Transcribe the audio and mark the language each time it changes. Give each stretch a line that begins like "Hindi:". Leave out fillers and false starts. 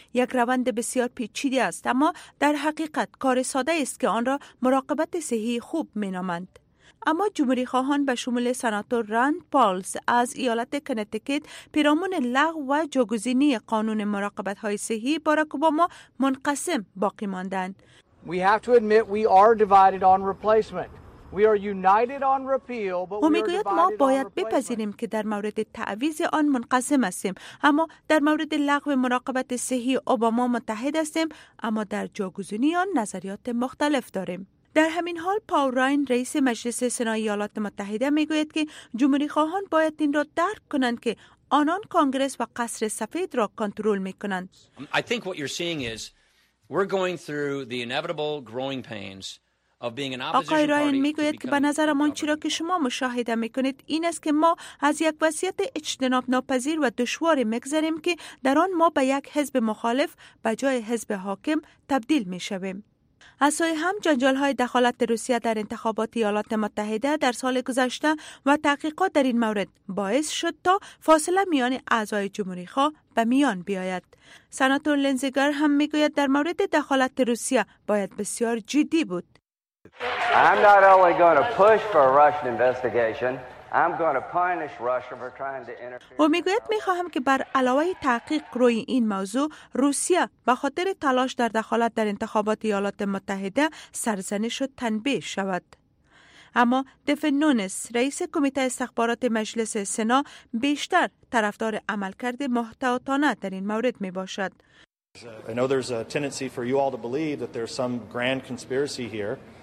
Persian: یک روند بسیار پیچیده است، اما در حقیقت کار ساده است که آن را مراقبت صحی خوب مینامند. اما جمهوری خواهان به شمول سناتور راند پالز از ایالت کنتیکت پیرامون لغو و جاگزینی قانون مراقبت های صحی باراک اوباما منقسم باقی ماندند.
English: We have to admit we are divided on replacement. We are united on repeal, but we are divided.
Persian: ما باید بپذیریم که در مورد تعویض آن منقسم هستیم، اما در مورد لغو مراقبت صحی اوباما متحد هستیم، اما در جاگزینی آن نظریات مختلف داریم. در همین حال پاول راین رئیس مجلس سنای ایالات متحده میگوید که جمهوری خواهان باید این را درک کنند که آنان کنگرس و قصر سفید را کنترل میکنند.
English: I think what you're seeing is we're going through the inevitable growing pains.
Persian: آقای راین میگوید که به نظر من چرا که شما مشاهده میکنید این است که ما از یک وضعیت اجتناب ناپذیر و دشوار میگذریم که در آن ما به یک حزب مخالف به جای حزب حاکم تبدیل میشویم. از سوی هم جنجال های دخالت روسیه در انتخابات ایالات متحده در سال گذشته و تحقیقات در این مورد باعث شد تا فاصله میان اعضای جمهوری خواه به میان بیاید. سناتور لنزگر هم میگوید در مورد دخالت روسیه باید بسیار جدی بود.
English: I'm not only going to push for a Russian investigation, I'm going to punish Russia for trying to interfere.
Persian: او میگوید میخواهم که بر علاوه تحقیق روی این موضوع، روسیه به خاطر تلاش در دخالت در انتخابات ایالات متحده سرزنش و تنبیه شود. اما دفن نونس رئیس کمیته استخبارات مجلس سنا بیشتر طرفدار عملکرد محتاطانه در این مورد میباشد.
English: I know there's a tendency for you all to believe that there's some grand conspiracy here.